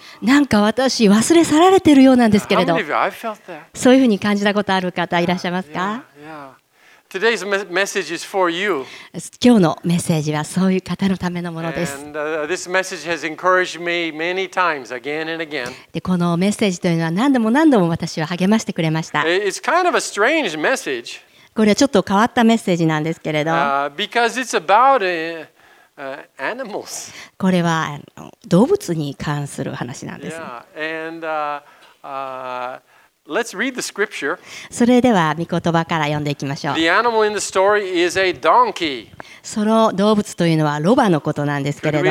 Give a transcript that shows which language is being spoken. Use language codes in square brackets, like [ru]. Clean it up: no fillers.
[ja] なんか私忘れ去られてるようなんですけれど、そういうふうに感じたことある方いらっしゃいますか。 [en] Today's message is for you. [ja] 今日のメッセージはそういう方のためのものです。 [en] And, this message has encouraged me many times, again and again. [ja] で、このメッセージというのは何度も何度も私は励ましてくれました。 [en] It's kind of a strange message. [ja] これはちょっと変わったメッセージなんですけれど、 [en] because it's about animals. [ja] これは動物に関する話なんですね。 [en] Yeah. And, Let's read the scripture. [ja] それでは御言葉から読んでいきましょう。 [en] The animal in the story is a donkey. [ja] その動物というのはロバのことなんですけれど。